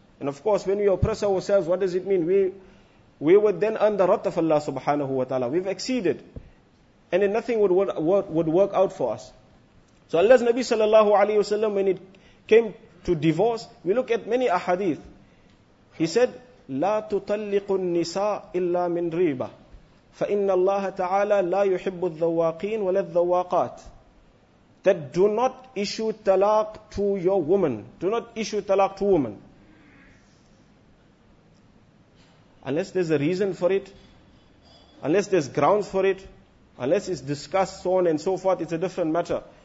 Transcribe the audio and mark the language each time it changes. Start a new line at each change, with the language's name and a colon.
English: And of course, when we oppress ourselves, what does it mean? We would then earn the wrath of Allah subhanahu wa ta'ala. We've exceeded. And then nothing would work out for us. So Allah's Nabi sallallahu alayhi wa sallam, when it came to divorce, we look at many ahadith. He said,
Arabic: لا تطلق النساء إلا من ريبة فإن الله تعالى لا يحب الذواقين ولا الذواقات.
English: That do not issue talaq to your woman. Do not issue talaq to woman. Unless there's a reason for it, unless there's grounds for it, unless it's discussed, so on and so forth, it's a different matter.